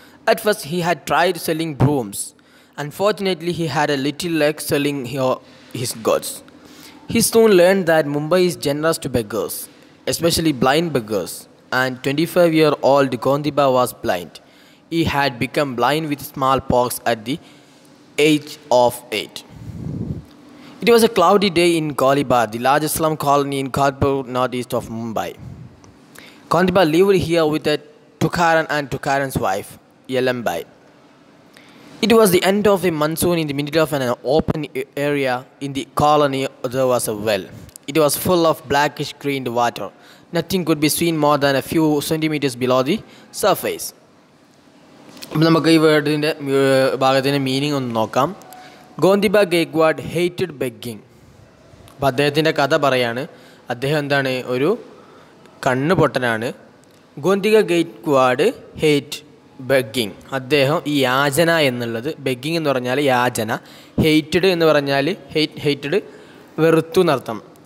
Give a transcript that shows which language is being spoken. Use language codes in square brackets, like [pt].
[en] At first he had tried selling brooms. Unfortunately he had a little luck selling his goods. He soon learn that Mumbai is generous to beggars, especially blind beggars. And 25-year-old Gontiba was blind. He had become blind with smallpox at the age of 8. It was a cloudy day in Kolibad, the largest slum colony in Kharpur, northeast of Mumbai. Kondiba lived here with a Tukaran and Tukaran's wife, Yelambai. It was the end of the monsoon in the middle of an open area in the colony. There was a well. It was full of blackish green water. Nothing could be seen more than a few centimeters below the surface. [ml] അപ്പോൾ നമുക്ക് ഈ വേർഡിൻ്റെ ഭാഗത്തിൻ്റെ meaning ഒന്ന് നോക്കാം. [en] Gontiba Gaekwad hated begging. [ml] അപ്പോൾ അദ്ദേഹത്തിൻ്റെ കഥ പറയാണ്. അദ്ദേഹം എന്താണ്, ഒരു കണ്ണ് പൊട്ടനാണ്. [en] Gontiba Gaekwad hate begging, [ml] അദ്ദേഹം ഈ യാചന എന്നുള്ളത്, ബെഗ്ഗിങ് എന്ന് പറഞ്ഞാൽ യാചന, ഹേറ്റഡ് എന്ന് പറഞ്ഞാൽ ഹേറ്റഡ് വെറുത്തു എന്നർത്ഥം.